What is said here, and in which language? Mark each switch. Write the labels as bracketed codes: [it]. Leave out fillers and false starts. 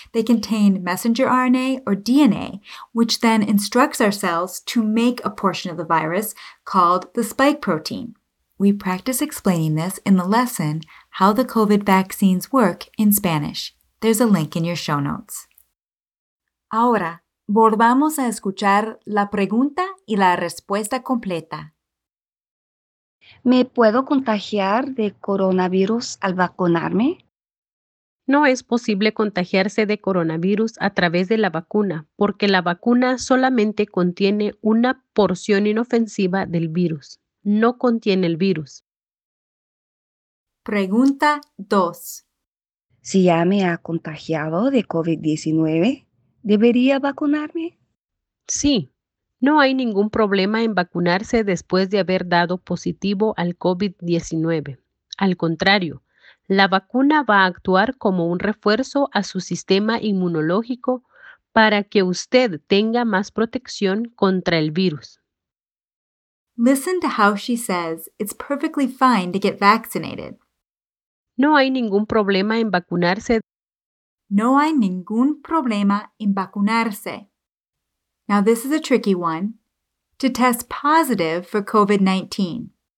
[en] They contain messenger RNA or DNA, which then instructs our cells to make a portion of the virus called the spike protein. We practice explaining this in the lesson, How the COVID Vaccines Work in Spanish. There's a link in your show notes. [es] Ahora, volvamos a escuchar la pregunta y la respuesta completa. ¿Me puedo contagiar de coronavirus al vacunarme? No es posible contagiarse de coronavirus a través de la vacuna, porque la vacuna solamente contiene una porción inofensiva del virus. No contiene el virus. Pregunta 2. Si ya me ha contagiado de COVID-19, ¿debería vacunarme? Sí. No hay ningún problema en vacunarse después de haber dado positivo al COVID-19. Al contrario, la vacuna va a actuar como un refuerzo a su sistema inmunológico para que usted tenga más protección contra el virus. [en] Listen to how she says it's perfectly fine to get vaccinated. [es] No hay ningún problema en vacunarse. No hay ningún problema en vacunarse. [en] Now this is a tricky one, to test positive for COVID-19.